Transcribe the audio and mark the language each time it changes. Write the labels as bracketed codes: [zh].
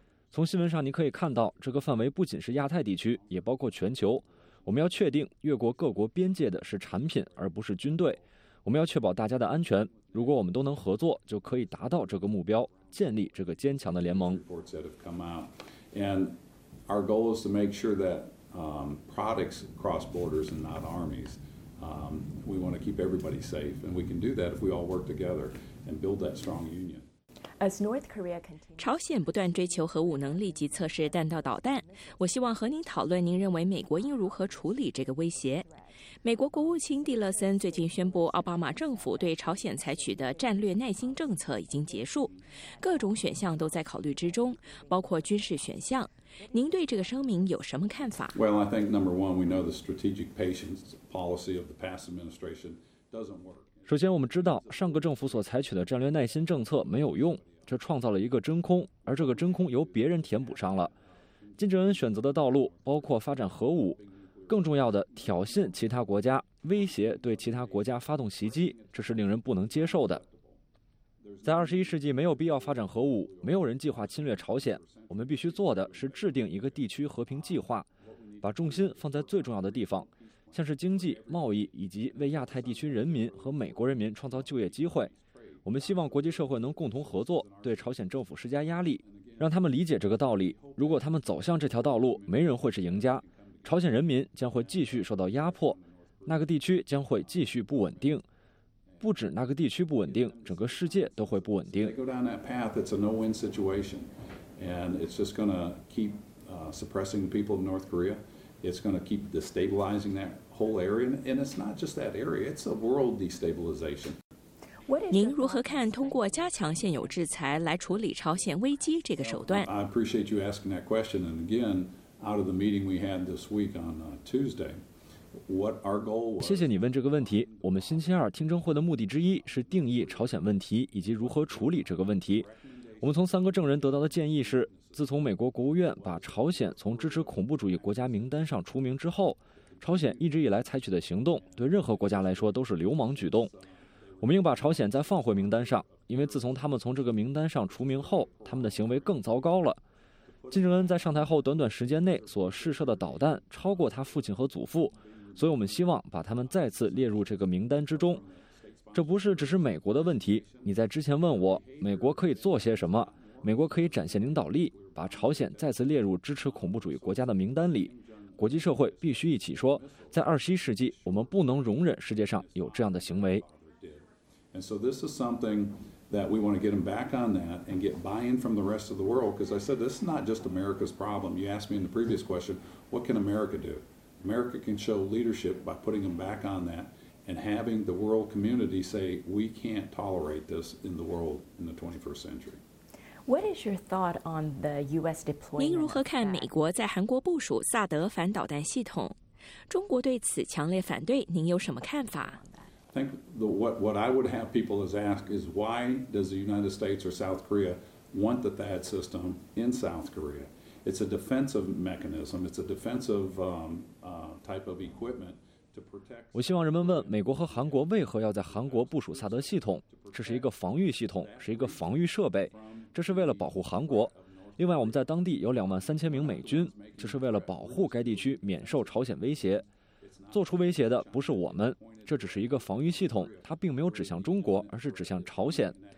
[zh] 从新闻上你可以看到，这个范围不仅是亚太地区，也包括全球。我们要确定越过各国边界的是产品而不是军队，我们要确保大家的安全。如果我们都能合作，就可以达到这个目标，建立这个坚强的联盟。 [en] Our goal is to make sure that products cross borders and not armies. We want to keep everybody safe, and we can do that if we all work together and build that strong union. As North Korea continues, [zh] 朝鲜不断追求核武能力及测试弹道导弹。我希望和您讨论，您认为美国应如何处理这个威胁？美国国务卿蒂勒森最近宣布，奥巴马政府对朝鲜采取的战略耐心政策已经结束，各种选项都在考虑之中，包括军事选项。您对这个声明有什么看法？ [en] Well, I think number one, we know the strategic patience policy of the past administration doesn't work. [zh] 首先，我们知道上个政府所采取的战略耐心政策没有用，这创造了一个真空，而这个真空由别人填补上了。金正恩选择的道路包括发展核武，更重要的挑衅其他国家，威胁对其他国家发动袭击，这是令人不能接受的。在二十一世纪，没有必要发展核武，没有人计划侵略朝鲜。我们必须做的是制定一个地区和平计划，把重心放在最重要的地方，像是经济、贸易，以及为亚太地区人民和美国人民创造就业机会。我们希望国际社会能共同合作，对朝鲜政府施加压力，让他们理解这个道理。如果他们走向这条道路，没人会是赢家，朝鲜人民将会继续受到压迫，那个地区将会继续不稳定。不止那个地区不稳定，整个世界都会不稳定。 [en] They go down that path, it's a no-win situation, and it's just going to keep suppressing the people of North Korea. It's going to keep destabilizing that whole area, and it's not just that area; it's a world destabilization. [zh] 您如何看通过加强现有制裁来处理朝鲜危机这个手段 [en] ？I appreciate you asking that question, and again, out of the meeting we had this week on Tuesday. [zh] 谢谢你问这个问题。我们星期二听证会的目的之一是定义朝鲜问题以及如何处理这个问题。我们从三个证人得到的建议是，自从美国国务院把朝鲜从支持恐怖主义国家名单上除名之后，朝鲜一直以来采取的行动对任何国家来说都是流氓举动。我们应把朝鲜再放回名单上，因为自从他们从这个名单上除名后，他们的行为更糟糕了。金正恩在上台后短短时间内所试射的导弹超过他父亲和祖父，所以我们希望把他们再次列入这个名单之中。这不是只是美国的问题。你在之前问我美国可以做些什么，美国可以展现领导力，把朝鲜再次列入支持恐怖主义国家的名单里。国际社会必须一起说，在二十一世纪我们不能容忍世界上有这样的行为。 [en] And so this is something that we want to get them back on that and get buy-in from the rest of the world, because I said this is not just America's problem. You asked me in the previous question, what can America do? America can show leadership by putting them back on that and having the world community say we can't tolerate this in the world in the 21st century. What is your thought on the U.S. deployment? [zh] 您如何看美国在韩国部署萨德反导弹系统？中国对此强烈反对，您有什么看法？ [en] I think what I would have people ask is why does the United States or South Korea want the THAAD system in South Korea? It's a defensive mechanism. It's a defensive type of equipment to protect. [zh] 我希望人们问美国和韩国为何要在韩国部署萨德系统？这是一个防御系统，是一个防御设备，这是为了保护韩国。另外，我们在当地有23,000名美军，这是为了保护该地区免受朝鲜威胁。做出威胁的不是我们，这只是一个防御系统，它并没有指向中国，而是指向朝鲜。